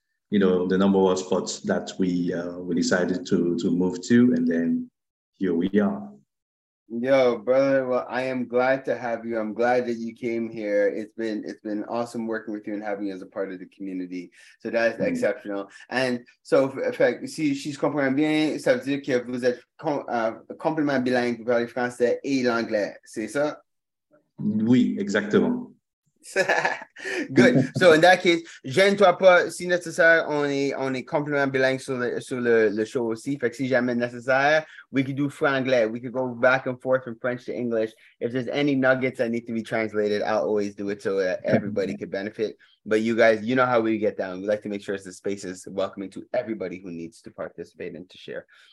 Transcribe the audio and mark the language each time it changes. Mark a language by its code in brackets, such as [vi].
[en] you know, the number one spot that we decided to move to, and then here we are. Yo, brother, well, I am glad to have you. I'm glad that you came here. It's been awesome working with you and having you as a part of the community. So that's exceptional. And so, in fact, [fr] si je comprends bien, ça veut dire que vous êtes complètement bilingue, vous parlez français et l'anglais, c'est ça? Oui, exactement. [en] Good. So in that case, [fr] gêne-toi pas si nécessaire. On est complètement bilingue sur le show aussi. Fait que si jamais nécessaire, [en] we could do franglais. We could go back and forth from French to English. If there's any nuggets that need to be translated, I'll always do it so that everybody can benefit. But you guys, you know how we get down. We like to make sure the space is welcoming to everybody who needs to participate and to share.